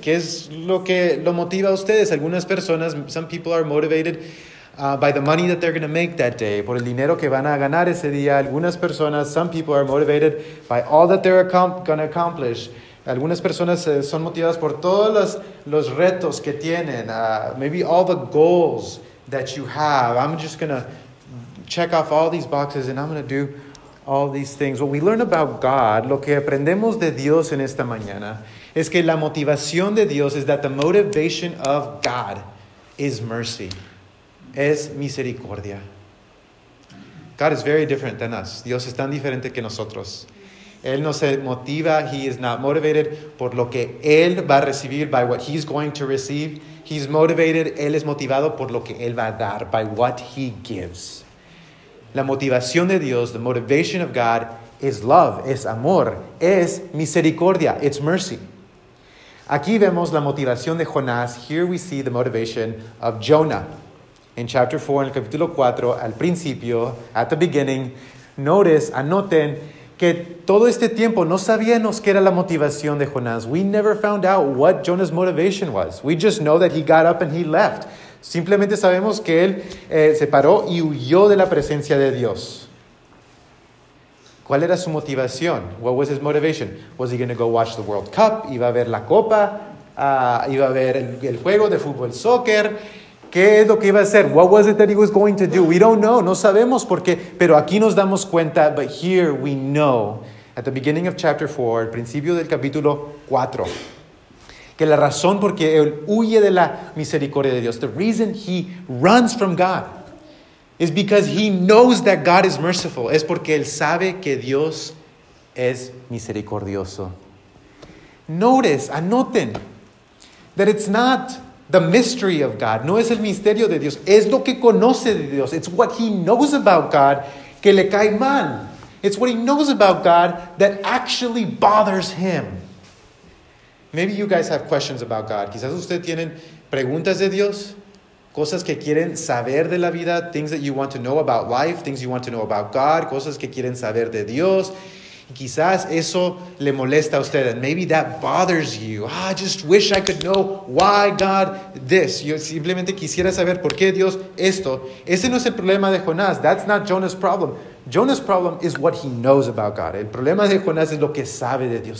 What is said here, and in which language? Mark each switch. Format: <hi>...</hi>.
<es>¿Qué es lo que lo motiva a ustedes? Algunas personas,</es> <en>some people are motivated by the money that they're going to make that day,</en> <es>por el dinero que van a ganar ese día. Algunas personas,</es> <en>some people are motivated by all that they're going to accomplish.</en> <es>Algunas personas son motivadas por todos los retos que tienen.</es> <en>Maybe all the goals that you have. I'm just going to check off all these boxes and I'm going to do all these things. What we learn about God,</en> <es>lo que aprendemos de Dios en esta mañana, es que la motivación de Dios</es> <en>is that the motivation of God is mercy.</en> <es>Es misericordia.</es> <en>God is very different than us.</en> <es>Dios es tan diferente que nosotros. Él no se motiva,</es> <en>he is not motivated</en> <es>por lo que él va a recibir,</es> <en>by what he's going to receive. He's motivated,</en> <es>él es motivado por lo que él va a dar,</es> <en>by what he gives.</en> <es>La motivación de Dios,</es> <en>the motivation of God, is love,</en> <es>es amor, es misericordia,</es> <en>it's mercy.</en> <es>Aquí vemos la motivación de Jonás.</es> <en>Here we see the motivation of Jonah. In chapter 4,</en> <es>en el capítulo 4, al principio,</es> <en>at the beginning, notice,</en> <es>anoten, que todo este tiempo no sabíamos qué era la motivación de Jonás.</es> <en>We never found out what Jonah's motivation was. We just know that he got up and he left.</en> <es>Simplemente sabemos que él se paró y huyó de la presencia de Dios. ¿Cuál era su motivación?</es> <en>What was his motivation? Was he going to go watch the World Cup?</en> <es>¿Iba a ver la Copa? ¿Iba a ver el juego de fútbol, soccer? ¿Qué es lo que iba a hacer?</es> <en>What was it that he was going to do? We don't know.</en> <es>No sabemos por qué. Pero aquí nos damos cuenta.</es> <en>But here we know. At the beginning of chapter 4,</en> <es>el principio del capítulo 4. Que la razón por qué él huye de la misericordia de Dios.</es> <en>The reason he runs from God is because he knows that God is merciful.</en> <es>Es porque él sabe que Dios es misericordioso.</es> <en>Notice, anoten, that it's not the mystery of God.</en> <es>No es el misterio de Dios. Es lo que conoce de Dios.</es> <en>It's what he knows about God</en> <es>que le cae mal.</es> <en>It's what he knows about God that actually bothers him. Maybe you guys have questions about God.</en> <es>Quizás usted tienen preguntas de Dios. Cosas que quieren saber de la vida.</es> <en>Things that you want to know about life. Things you want to know about God.</en> <es>Cosas que quieren saber de Dios. Quizás eso le molesta a usted.</es> <en>And maybe that bothers you. Oh, I just wish I could know why God this.</en> <es>Yo simplemente quisiera saber por qué Dios esto. Ese no es el problema de Jonás.</es> <en>That's not Jonah's problem. Jonah's problem is what he knows about God.</en> <es>El problema de Jonás es lo que sabe de Dios.</es>